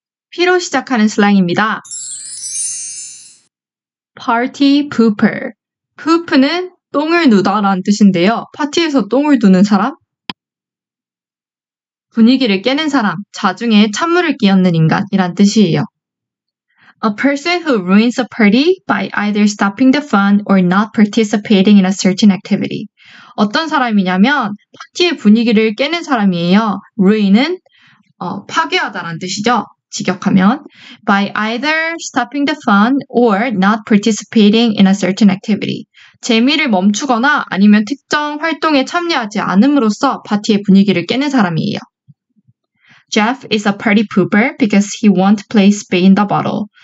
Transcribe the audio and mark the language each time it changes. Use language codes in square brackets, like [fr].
[ko] 피로 시작하는 슬랑입니다. Party pooper. Poop는 똥을 누다라는 뜻인데요. 파티에서 똥을 두는 사람? 분위기를 깨는 사람, 자중에 찬물을 끼얹는 인간이란 뜻이에요. [en] A person who ruins a party by either stopping the fun or not participating in a certain activity. [ko] 어떤 사람이냐면 파티의 분위기를 깨는 사람이에요. Ruin은 파괴하다란 뜻이죠. 직역하면 [en] by either stopping the fun or not participating in a certain activity. [ko] 재미를 멈추거나 아니면 특정 활동에 참여하지 않음으로써 파티의 분위기를 깨는 사람이에요. [en] Jeff is a party pooper because he won't play Spin the Bottle.